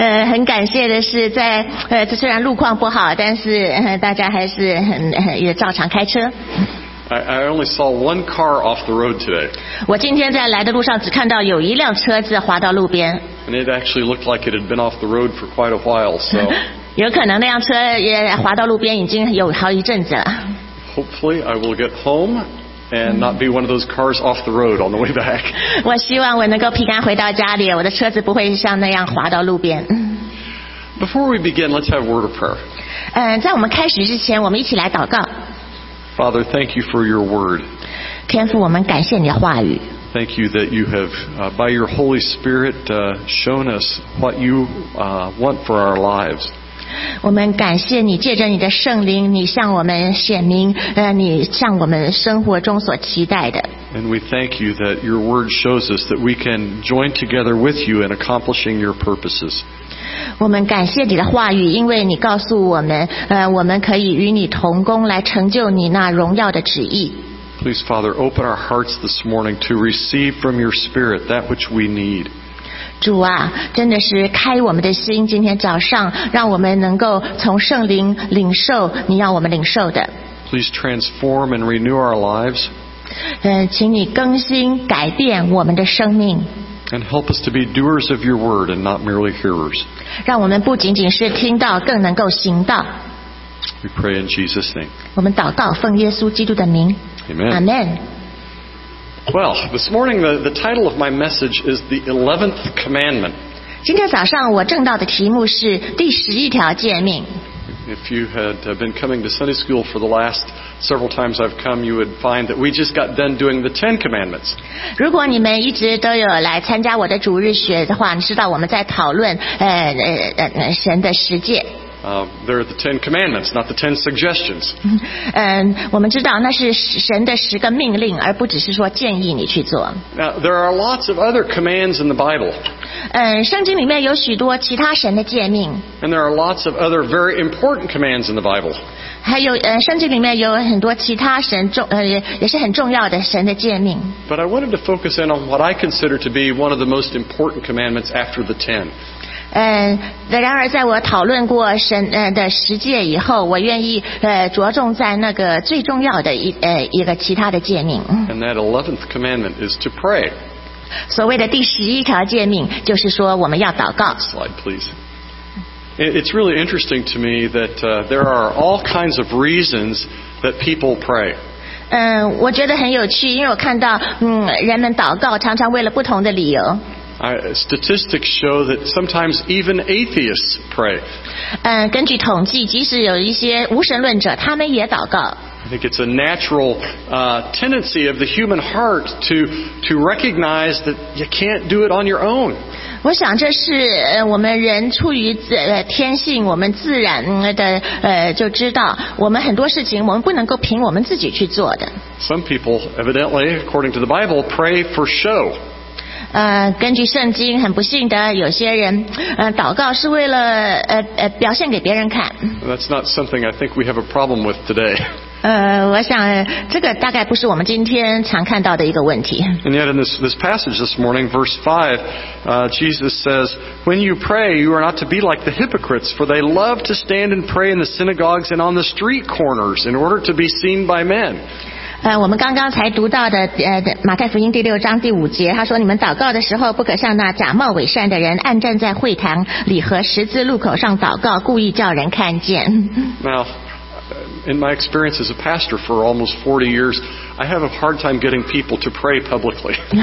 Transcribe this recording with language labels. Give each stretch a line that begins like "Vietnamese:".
Chinese: 很感谢的是在，虽然路况不好，但是大家还是也照常开车。
English: I only saw one car off the road today.
Chinese: 我今天在来的路上只看到有一辆车子滑到路边。
English: And it actually looked like it had been off the road for quite a while, so.
Chinese: 有可能那辆车也滑到路边已经有好一阵子了。
English: Hopefully, I will get home and not be one of those cars off the road on the way back.
Chinese: 我希望我能够平安回到家里，我的车子不会像那样滑到路边。
English: Before we begin, let's have a word of prayer.
Chinese: 在我们开始之前，我们一起来祷告。
English: Father, thank you for your word.
Chinese: 天父，我们感谢你的话语。
English: Thank you that you have, by your Holy Spirit, shown us what you want for our lives.
Chinese: 我们感谢你，借着你的圣灵，你向我们显明，你向我们生活中所期待的。
English: And we thank you that your word shows us that we can join together with you in accomplishing your purposes.
Chinese: 我们感谢你的话语，因为你告诉我们，我们可以与你同工来成就你那荣耀的旨意。
English: Please, Father, open our hearts this morning to receive from your Spirit that which we need.
Chinese: 主啊，真的是开我们的心，今天早上让我们能够从圣灵领受你要我们领受的。
English: Please transform and renew our lives.
Chinese: 请你更新改变我们的生命。
English: And help us to be doers of your word and not merely hearers.
Chinese: 让我们不仅仅是听到，更能够行道。
English: We pray in Jesus' name.
Chinese: 我们祷告，奉耶稣基督的名。
English: Amen. Amen. Well, this morning the title of my message is the 11th commandment.
Chinese: 今天早上我证道的题目是第十一条诫命。
English: If you had been coming to Sunday school for the last several times I've come, you would find that we just got done doing the Ten Commandments.
Chinese: 如果你们一直都有来参加我的主日学的话，你知道我们在讨论神的十诫。
English: There are the Ten Commandments, not the Ten Suggestions.
Chinese: 我们知道那是神的十个命令，而不只是说建议你去做。
English: Now, there are lots of other commands in the Bible.
Chinese: 圣经里面有许多其他神的诫命。
English: And there are lots of other very important commands in the Bible.
Chinese: 还有圣经里面有很多其他神也是很重要的神的诫命。
English: But I wanted to focus in on what I consider to be one of the most important commandments after the Ten.
Chinese: 然而在我讨论过神的十诫以后，我愿意着重在那个最重要的一个其他的诫命。
English: And that 11th commandment is to pray.
Chinese: 所谓的第十一条诫命就是说我们要祷告。
English: Slide, please. It's really interesting to me that there are all kinds of reasons that people pray.
Chinese: 我觉得很有趣，因为我看到人们祷告常常为了不同的理由。
English: Statistics show that sometimes even atheists pray.
Chinese: 根据统计，即使有一些无神论者，他们也祷告。
English: I think it's a natural tendency of the human heart to recognize that you can't do it on your own.
Chinese: 我想这是我们人出于天性，我们自然的就知道，我们很多事情我们不能够凭我们自己去做的。
English: Some people, evidently, according to the Bible, pray for show.
Chinese: 根据圣经，很不幸的，有些人祷告是为了表现给别人看。
English: That's not something I think we have a problem with today.
Chinese: 我想这个大概不是我们今天常看到的一个问题。
English: And yet in this passage this morning, verse 5, Jesus says, "When you pray, you are not to be like the hypocrites, for they love to stand and pray in the synagogues and on the street corners in order to be seen by men."
Chinese: 我们刚刚才读到的马太福音第六章第五节，他说你们祷告的时候不可像那假冒伪善的人，暗站在会堂里和十字路口上祷告，故意叫人看见。
English: Now, in my experience as a pastor for almost 40 years, I have a hard time getting people to pray publicly.